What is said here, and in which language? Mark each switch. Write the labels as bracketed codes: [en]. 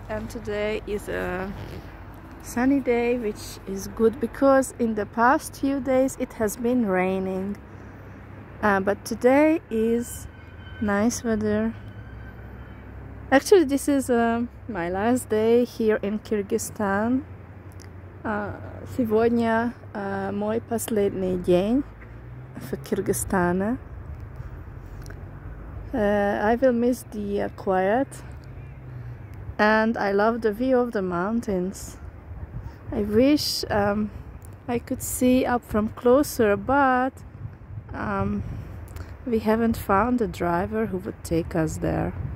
[en] And today is a sunny day, which is good because in the past few days it has been raining. But today is nice weather. Actually, this is my last day here in Kyrgyzstan. [ru] Сегодня мой последний день в Кыргызстане. [en] I will miss the quiet, and I love the view of the mountains. I wish I could see up from closer, but we haven't found a driver who would take us there.